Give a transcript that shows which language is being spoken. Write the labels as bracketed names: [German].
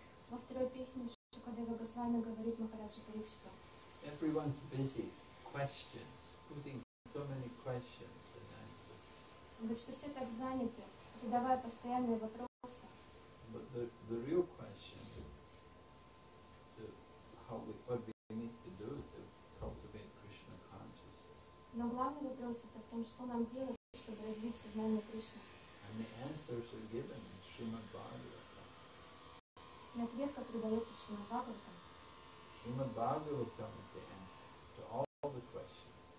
[Russian] Во второй песне Шукадева Госвами говорит Махараджа Парикшита. [English] Everyone's busy, questions, putting so many questions and answers. [Russian] Он говорит, что все так заняты, задавая постоянные вопросы. [English] But the real question is what we need to do to cultivate Krishna consciousness. [Russian] Но главный вопрос это в том, что нам делать, чтобы развить сознание Кришны. [English] And the answers are given in Srimad Bhagavatam. [Russian] И ответ, как придается в Srimad Bhagavatam. [English] Srimad Bhagavatam is the answer to all the questions.